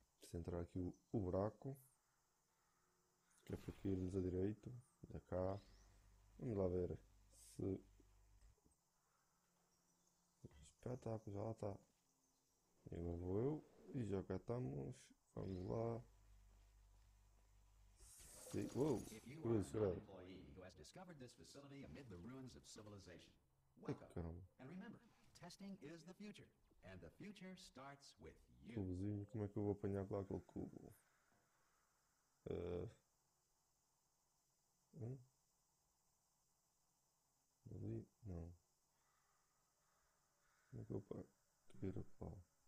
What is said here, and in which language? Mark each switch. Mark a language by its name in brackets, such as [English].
[Portuguese] Centrar aqui o buraco. Que é para irmos a direito. Da cá. Vamos lá ver se. Espetáculo, já lá está. E agora vou eu. E já cá estamos. Vamos lá. Sim, uou, cruz, chorado. [English] Discovered this facility amid the ruins of civilization. Welcome. And remember, testing is the future, and the future starts with you. [Portuguese] Cubozinho, como é que eu vou apanhar lá aquele cubo? Ali? Não. Como é que eu vou apanhar o pau?